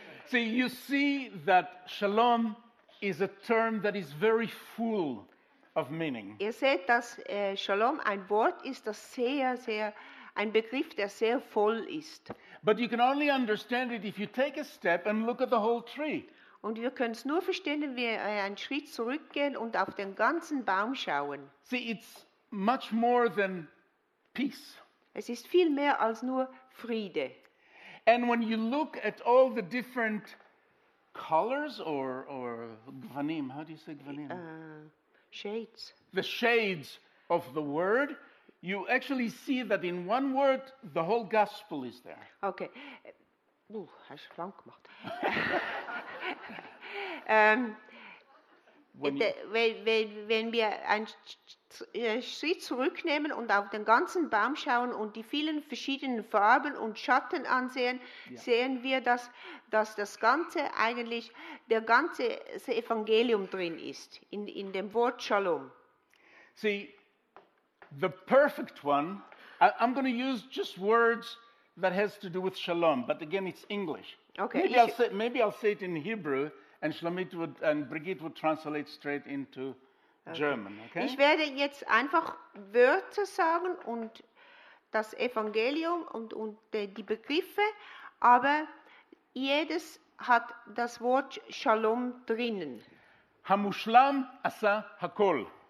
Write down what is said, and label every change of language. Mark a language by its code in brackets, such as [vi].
[en] See, you see that Shalom is a term that is very full of meaning. [de] Ihr seht, dass Shalom ein Wort ist, das sehr, sehr, ein Begriff, der sehr voll ist. [en] But you can only understand it if you take a step and look at the whole tree. [de] Und wir können es nur verstehen, wenn wir einen Schritt zurückgehen und auf den ganzen Baum schauen. [en] See, it's much more than peace. [de] Es ist viel mehr als nur Friede. [en] And when you look at all the different colors or gvanim, how do you say gvanim? Shades. The shades of the word, you actually see that in one word, the whole gospel is there. [de] Okay. Hast du lang gemacht. Wenn wir einen Schritt zurücknehmen und auf den ganzen Baum schauen und die vielen verschiedenen Farben und Schatten ansehen, sehen wir, dass das Ganze eigentlich, der ganze Evangelium drin ist, in dem Wort Shalom. [en] See, the perfect one, I'm going to use just words that has to do with Shalom, but again, it's English. Okay, maybe I'll say it in Hebrew, and Shlomit would, and Brigitte would translate straight into German. Okay? [de] Ich werde jetzt einfach Wörter sagen und das Evangelium und die Begriffe, aber jedes hat das Wort Shalom drinnen. [he] Hamushlam asa hakol.